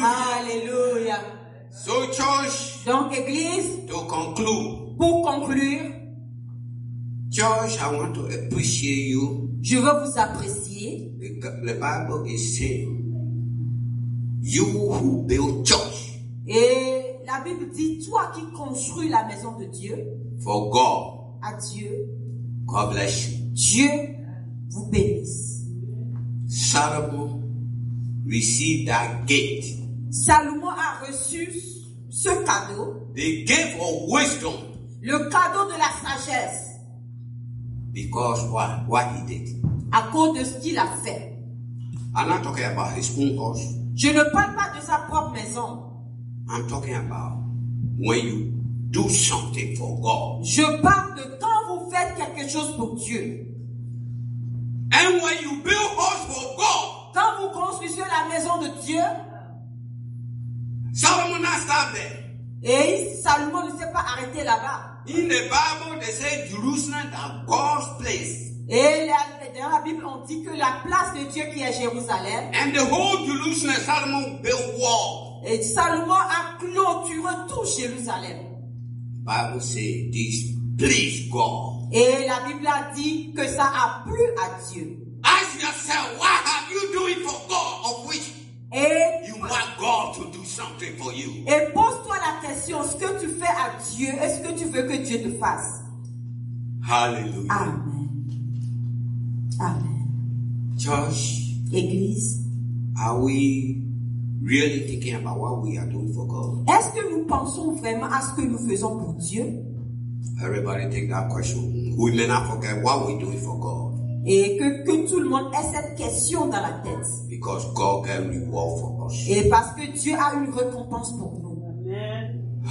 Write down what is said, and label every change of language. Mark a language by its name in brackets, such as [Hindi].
[English] Hallelujah. So church. [French] Donc église. [English] To conclude. [French] Pour conclure. [English] Church, I want to appreciate you. [French] Je veux vous apprécier. [English] The Bible is saying, you who build church. [French] Et la Bible dit, toi qui construis la maison de Dieu. [English] For God. [French] À Dieu. [English] God bless you. [French] Dieu vous bénisse. [English] Salomon received that gift. [French] Salomon a reçu ce cadeau. [English] The gift of wisdom. [French] Le cadeau de la sagesse. [English] Because what he did. [French] À cause de ce qu'il a fait. [English] I'm not talking about his own house. [French] Je ne parle pas de sa propre maison. [English] I'm talking about when you do something for God. [French] Je parle de quand vous faites quelque chose pour Dieu. [English] And when you build house for God. [French] Quand vous construisez la maison de Dieu. [English] Solomon not stop there. [French] Et Salomon ne s'est pas arrêté là-bas. [English] In the Bible, they say Jerusalem is God's place. [French] Et dans la Bible, on dit que la place de Dieu qui est Jérusalem. [English] And the whole Jerusalem, Solomon built wall. [French] Et Salomon a clôturé tout Jérusalem. [English] The Bible says this pleased God. [French] Et la Bible a dit que ça a plu à Dieu. [English] Ask yourself, what have you doing for God of which? [French] Et [English] you want God to do something for you. [French] Et pose-toi la question, ce que tu fais à Dieu, est-ce que tu veux que Dieu te fasse? [English] Hallelujah. Amen. Amen. Church. [French] Église. [English] Are we really thinking about what we are doing for God? [French] Est-ce que nous pensons vraiment à ce que nous faisons pour Dieu? [English] Everybody take that question. We may not forget what we're doing for God. [French] Et que tout le monde ait cette question dans la tête. [English] Because God can reward for us. [French] Et parce que Dieu a une récompense pour nous.